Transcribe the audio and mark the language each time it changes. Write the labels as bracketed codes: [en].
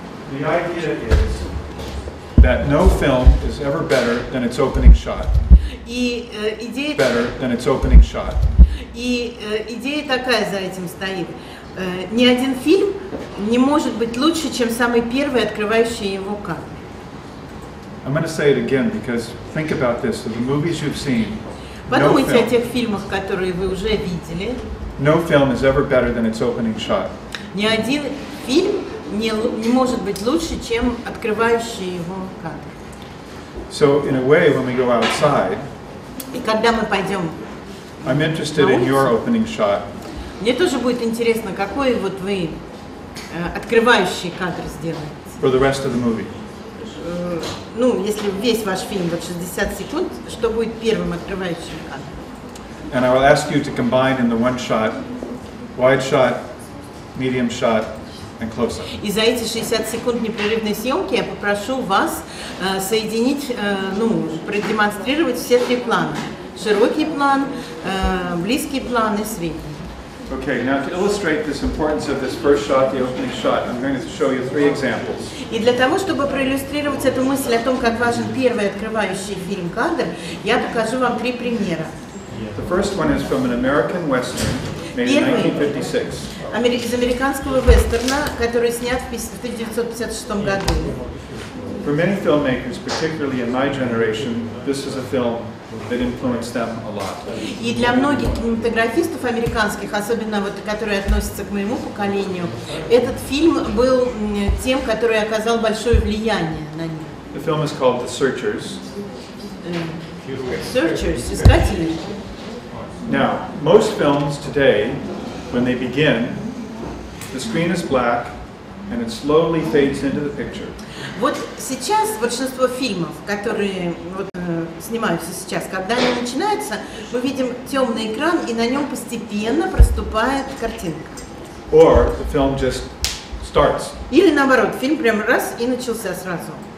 [en] The idea is that no film is ever better than its opening shot. Better than its opening shot. [ru] И идея такая за этим стоит. Ни один фильм не может быть лучше, чем самый первый, открывающий его кадр. [en] I'm going to say it again because think about this: the movies you've seen. [ru] Подумайте о тех фильмах, которые вы уже видели. [en] No film is ever better than its opening shot. [ru] Ни один фильм не может быть лучше, чем открывающий его кадр. [en] So in a way, when we go outside. [ru] И когда мы пойдем. [en] I'm interested in your opening shot. [ru] Мне тоже будет интересно, какой вот вы открывающий кадр сделаете. [en] For the rest of the movie. [ru] Ну, если весь ваш фильм вот 60 секунд, что будет первым открывающим кадром? [en] And I will ask you to combine in the one shot, wide shot, medium shot, and close-up. [ru] И за эти 60 секунд непрерывной съемки я попрошу вас соединить, ну, продемонстрировать все три плана. Широкий план, близкий план и средний. [en] Okay, now to illustrate this importance of this first shot, the opening shot, I'm going to show you three examples. [ru] И для того, чтобы проиллюстрировать эту мысль о том, как важен первый открывающий фильм кадр, я покажу вам три примера. [en] The first one is from an American Western, made in 1956. [ru] Первый из американского вестерна, который снят в 1956 году. [en] For many filmmakers, particularly in my generation, this is a film that influenced them a lot. [ru] И для многих кинематографистов американских, особенно вот которые относятся к моему поколению, этот фильм был тем, который оказал большое влияние на них. [en] The film is called The Searchers. [ru] Searchers, искатели. [en] Now, most films today, when they begin, the screen is black, and it slowly fades into the picture. [ru] Вот сейчас большинство фильмов, которые вот снимаются сейчас, когда они начинаются, мы видим темный экран, и на нем постепенно проступает картинка. [en] Or the film just starts. [ru] Или наоборот, фильм прям раз и начался сразу.